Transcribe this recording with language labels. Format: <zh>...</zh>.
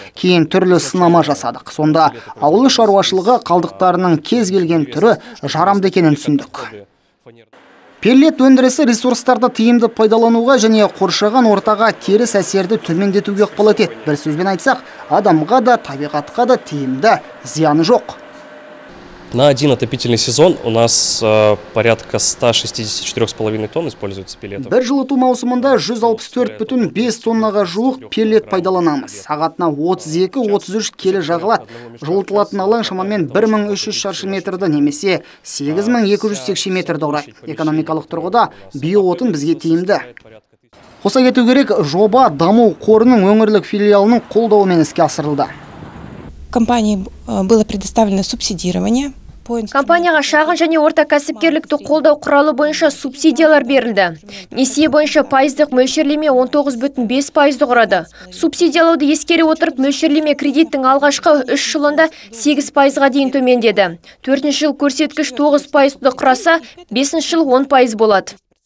<kk>Кейін түрлі сынама жасадық. Сонда ауыл шаруашылығы қалдықтарының кез келген түрі жарамды екенін түсіндік. Пеллет өндірісі ресурстарды тиімді пайдалануға және қоршаған ортаға теріс әсерді төмендетуге ықпал етеді. Бір сөзбен айтсақ, адамға да табиғатқа да тиімді, зияны жоқ.</kk> <ru>На один отопительный сезон у нас порядка 164,5 тонн используется пеллетов.</ru> <kk>Бір жылыту маусымында 164,5 тоннаға жуық пеллет пайдаланамыз. Сағатына 32-33 келі жағылады. Жылытылатын алаң шамамен 1300 шаршы метрді немесе 8200 текше метрді құрайды. Экономикалық тұрғыда биоотын бізге тиімді. Қоса кету керек, жоба даму қорының өңірлік филиалының қолдауымен іске асырылды.</kk> <ru>Компании было предоставлено субсидирование</ru> <kk>Компанияға шағын және орта кәсіпкерлікті қолдау құралы бойынша субсидиялар берілді. Несие бойынша пайыздық мөлшерлеме 19,5% құрады. Субсидиялауды ескере отырып, мөлшерлеме кредиттің алғашқы 3 жылында 8% дейін төмендеді. 4-ші жыл көрсеткіш 9% құраса, 5-ші жыл 10% болады.</kk>